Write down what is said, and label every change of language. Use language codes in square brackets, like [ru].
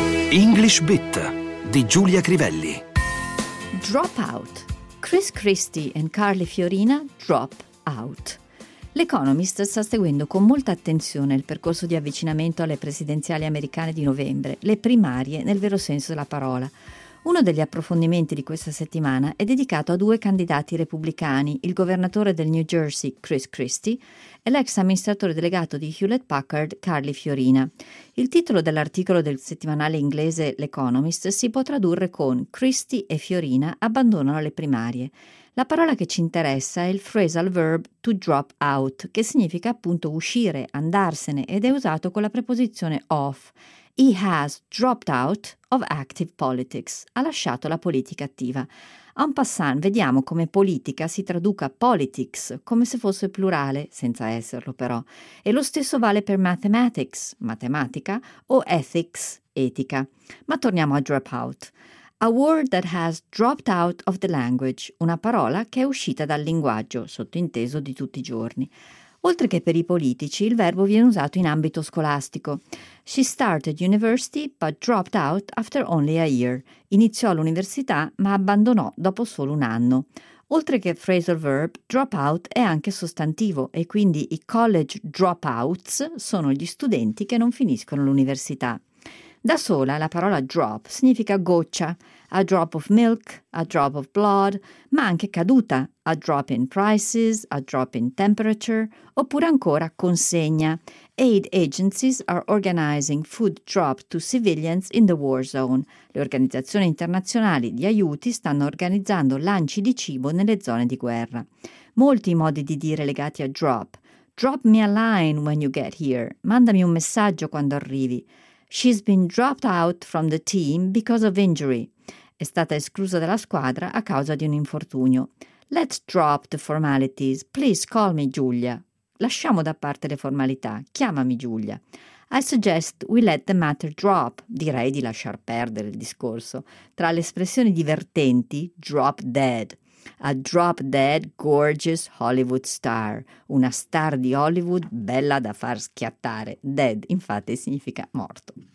[it] English Bit di Giulia Crivelli. [en] Drop out. Chris Christie and Carly Fiorina drop out. [it] L'Economist sta seguendo con molta attenzione il percorso di avvicinamento alle presidenziali americane di novembre, le primarie nel vero senso della parola. Uno degli approfondimenti di questa settimana è dedicato a due candidati repubblicani, il governatore del New Jersey, Chris Christie, e l'ex amministratore delegato di Hewlett-Packard, Carly Fiorina. Il titolo dell'articolo del settimanale inglese L'Economist si può tradurre con «Christie e Fiorina abbandonano le primarie». La parola che ci interessa è il phrasal verb «to drop out», che significa appunto uscire, andarsene, ed è usato con la preposizione «of». [en] He has dropped out of active politics. [it] Ha lasciato la politica attiva. En passant, vediamo come politica si traduca politics, come se fosse plurale, senza esserlo però. E lo stesso vale per mathematics, matematica, o ethics, etica. Ma torniamo a drop out. [en] A word that has dropped out of the language. [it] Una parola che è uscita dal linguaggio, sottinteso di tutti i giorni. Oltre che per i politici, il verbo viene usato in ambito scolastico. [en] She started university but dropped out after only a year. [it] Iniziò all'università ma abbandonò dopo solo un anno. Oltre che phrasal verb, drop out è anche sostantivo e quindi i college dropouts sono gli studenti che non finiscono l'università. Da sola la parola drop significa goccia, [en] a drop of milk, a drop of blood, [it] ma anche caduta, [en] a drop in prices, a drop in temperature, [it] oppure ancora consegna. [en] Aid agencies are organizing food drop to civilians in the war zone. [it] Le organizzazioni internazionali di aiuti stanno organizzando lanci di cibo nelle zone di guerra. Molti modi di dire legati a drop. [en] Drop me a line when you get here. [it] Mandami un messaggio quando arrivi. [en] She's been dropped out from the team because of injury. [it] È stata esclusa dalla squadra a causa di un infortunio. [en] Let's drop the formalities. Please call me Giulia. [it] Lasciamo da parte le formalità. Chiamami Giulia. [en] I suggest we let the matter drop. [it] Direi di lasciar perdere il discorso. Tra le espressioni divertenti, drop dead. [en] A drop dead gorgeous Hollywood star. [it] Una star di Hollywood bella da far schiattare. Dead, infatti, significa morto.